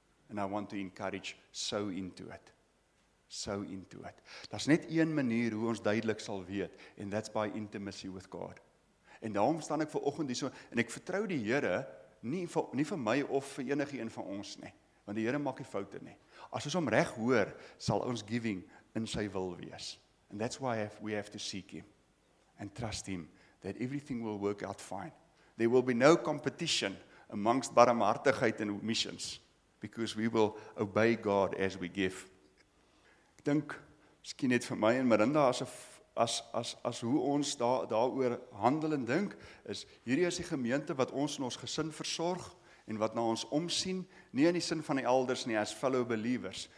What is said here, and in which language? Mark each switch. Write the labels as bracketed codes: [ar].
[en] And I want to encourage sow into it. Sow into it. [af] Daar's net een manier hoe ons duidelik sal weet [en] and that's by intimacy with God. [af] En daarom staan ek vanoggend hier so en ek vertrou die Here nie vir my of vir enige een van ons nie. Want die Here maak nie foute nie. As ons hom reg hoor, sal ons giving in sy wil wees. [en] And that's why we have to seek him and trust him that everything will work out fine. There will be no competition amongst barmhartigheid and missions because we will obey God as we give. [af] Ek dink miskien net vir my en Miranda as hoe ons daaroor handel en dink is hierdie is die gemeente wat ons en ons gesin versorg en wat na ons omsien, nie in die sin van die elders nie, [en] as fellow believers.